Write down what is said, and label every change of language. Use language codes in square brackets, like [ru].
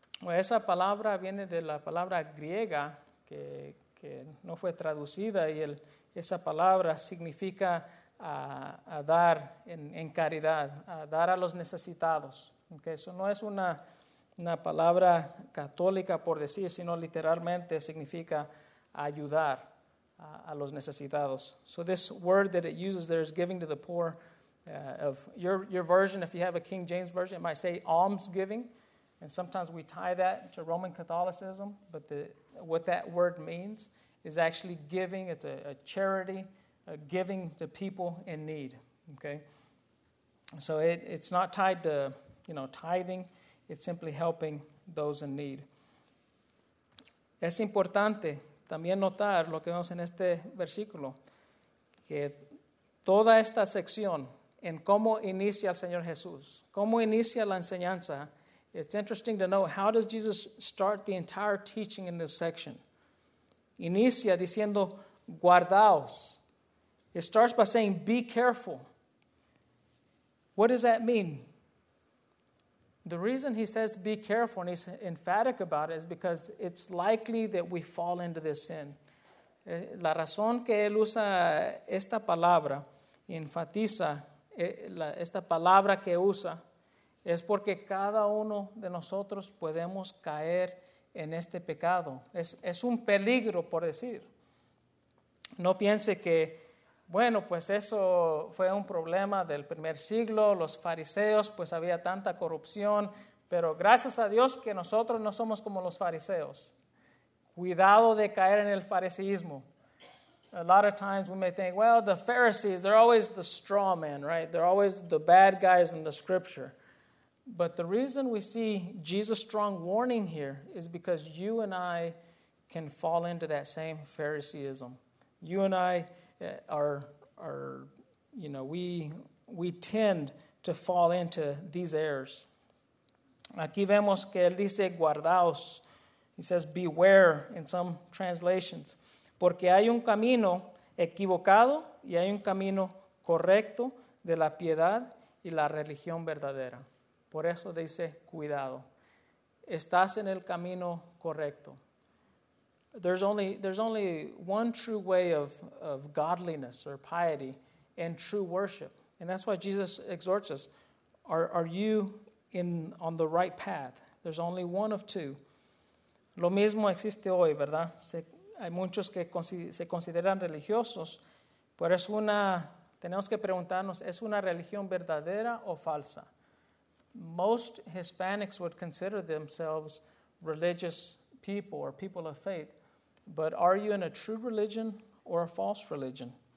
[es] Esa palabra viene de la palabra griega, que no fue traducida, y esa palabra significa a dar en caridad, a dar a los necesitados. ¿Okay? Eso no es una palabra católica por decir, sino literalmente significa ayudar a los necesitados. [en] So this word that it uses there is giving to the poor. Of your version, if you have a King James version, it might say almsgiving. And sometimes we tie that to Roman Catholicism. But what that word means is actually giving. It's a charity, a giving to people in need. Okay. So it's not tied to, you know, tithing. It's simply helping those in need. [es] Es importante también notar lo que vemos en este versículo, que toda esta sección en cómo inicia el Señor Jesús, cómo inicia la enseñanza, [en] it's interesting to know how does Jesus start the entire teaching in this section. [es] Inicia diciendo, guardaos. [en] It starts by saying, be careful. What does that mean? The reason he says be careful and he's emphatic about it is because it's likely that we fall into this sin. [es] La razón que él usa esta palabra, enfatiza esta palabra que usa, es porque cada uno de nosotros podemos caer en este pecado. Es un peligro, por decir. No piense que, bueno, pues eso fue un problema del primer siglo, los fariseos, pues había tanta corrupción, pero gracias a Dios que nosotros no somos como los fariseos. Cuidado de caer en el fariseísmo. [en] A lot of times we may think, well, the Pharisees, they're always the straw man, right? They're always the bad guys in the scripture. But the reason we see Jesus' strong warning here is because you and I can fall into that same Phariseeism. You and I are you know, we tend to fall into these errors. [es] Aquí vemos que él dice guardaos. [en] He says beware in some translations. [es] Porque hay un camino equivocado y hay un camino correcto de la piedad y la religión verdadera. Por eso dice, cuidado. Estás en el camino correcto. [en] There's only one true way of godliness or piety and true worship. And that's why Jesus exhorts us, are you on the right path? There's only one of two. [es] Lo mismo existe hoy, ¿verdad? Hay muchos que se consideran religiosos, pero tenemos que preguntarnos, ¿es una religión verdadera o falsa? [en] Most Hispanics would consider themselves religious people or people of faith, but are you in a true religion or a false religion?